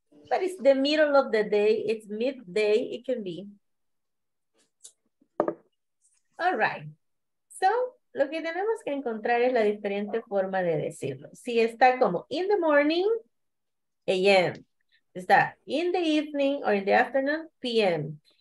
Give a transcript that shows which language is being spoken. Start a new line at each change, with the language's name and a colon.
English: But it's the middle of the day, it's midday, it can be. All right.
Spanish: So, lo que tenemos que encontrar es la diferente forma de decirlo. Si está como
English: in the morning, a.m. Está in the evening or in the afternoon, p.m.